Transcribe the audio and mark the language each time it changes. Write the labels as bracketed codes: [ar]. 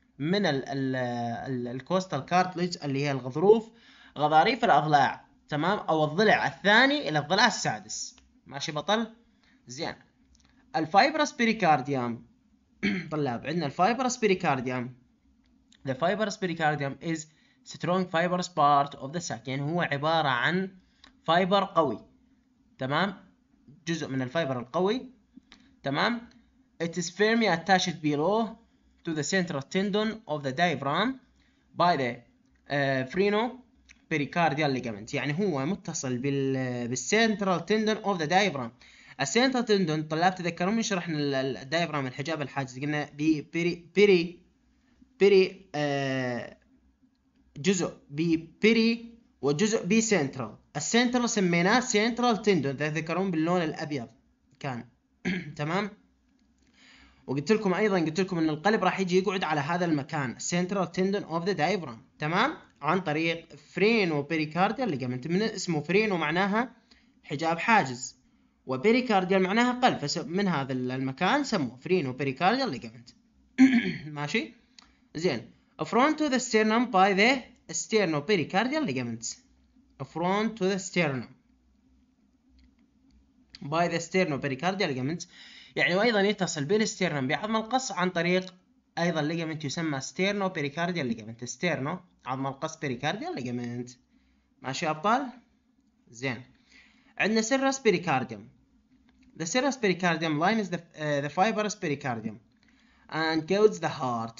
[ar] من ال costal cartilage اللي هي الغضروف، غضاريف الأضلاع. تمام. أو الضلع الثاني إلى الضلع السادس. ماشي بطل؟ زين. الفايبرس بيريكارديوم طلاب عندنا الفايبرس بيريكارديوم. [en] The fibrous pericardium is strong fibrous part of the sac. [ar] يعني هو عبارة عن فايبر قوي. تمام. جزء من الفايبر القوي. تمام. [en] It is firmly attached below to the central tendon of the diaphragm by the frenopericardial ligament. [ar] يعني هو متصل بال [en] central tendon of the diaphragm. [ar] The central tendon، طلاب تذكرون من شرحنا ال diaphragm الحجاب الحاجز، قلنا جزء بيري وجزء بي central. The central سميناه central tendon، تذكرون باللون الأبيض كان. تمام. وقلت لكم ايضا، قلت لكم ان القلب راح يجي يقعد على هذا المكان [en] central tendon of the diaphragm. [ar] تمام. عن طريق فرينو بيريكارديال ليجمنت. من اسمه فرينو معناها حجاب حاجز، وبيريكارديال معناها قلب، فمن هذا المكان سموه فرينو بيريكارديال ليجمنت. ماشي. زين. [en] front to the sternum by the sternopericardial ligaments. front to the sternum by the sternopericardial ligaments. [ar] يعني وايضا يتصل بالستيرنوم بعظم القص عن طريق ايضا ليجمنت يسمى ستيرنو بيريكارديال ليجمنت. ستيرنو عظم القص، بيريكارديال ليجمنت. ماشي ابطال؟ زين. [en] عندنا serous pericardium. The serous pericardium line as the fibrous pericardium and guards the heart.